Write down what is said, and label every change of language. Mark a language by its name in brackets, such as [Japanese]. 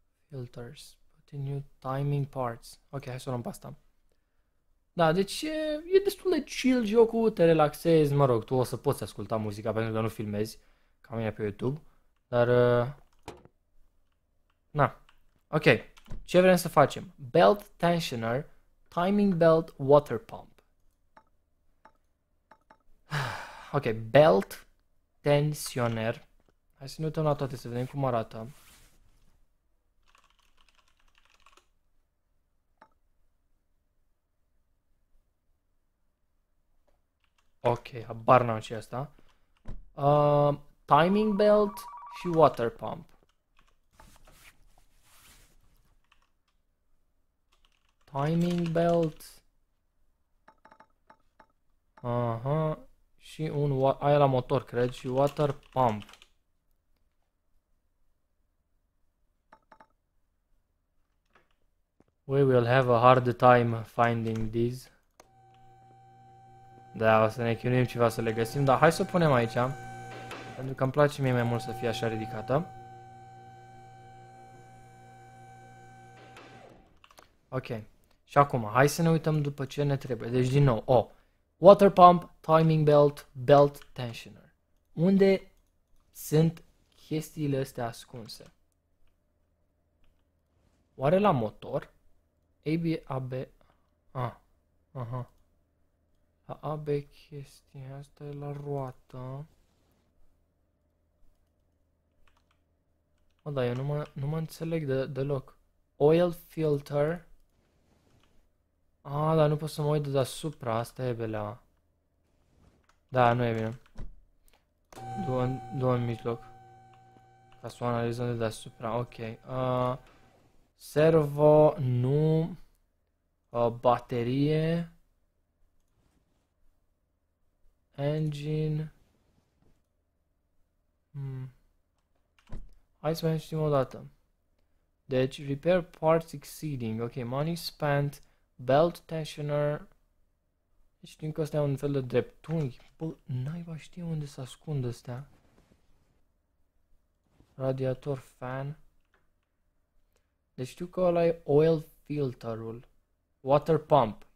[English] Filters. The new timing parts. [Romanian] Ok, hai să luăm pe asta. Da, deci e destul de chill jocul, te relaxezi, mă rog, tu o să poți asculta muzica pentru că nu filmezi, ca mine pe YouTube, dar... Na, ok, ce vrem să facem? [English] Belt tensioner, timing belt water pump. Ok, belt tensioner. [Romanian] Hai să ne uităm la toate, să vedem cum arată. Ok, habar n-am ce-i asta. Timing belt și water pump. [English] Timing belt. [Romanian] Aha. Și un aia la motor, cred, și water pump. [English] We will have a hard time finding these. [Romanian] Da, o să ne chinuim ceva să le găsim, dar hai să o punem aici. Pentru că îmi place mie mai mult să fie așa ridicată. Ok. Și acum, hai să ne uităm după ce ne trebuie. Deci, din nou, o. [English] Water pump, timing belt, belt tensioner. [Romanian] Unde sunt chestiile astea ascunse? Oare la motor? ABAB. Ah. Aha. A, B, chestia asta e la roată. Mă, dar eu nu mă înțeleg deloc. Oil filter. A, dar nu pot să mă uit de deasupra. Asta e belea. Da, nu e bine. Du-o în mijloc. Ca să o analizăm de deasupra. Ok. Servo, nu. Baterie. [English] Engine. [Romanian] Hai să mai citim o dată. [English] Deci, repair parts exceeding. Ok, money spent. Belt tensioner. [Romanian] Știm că ăsta e un fel de dreptunghi. Bă, naiba știe unde se ascund astea. Radiator fan. Deci știu că ăla e oil filterul. Water pump.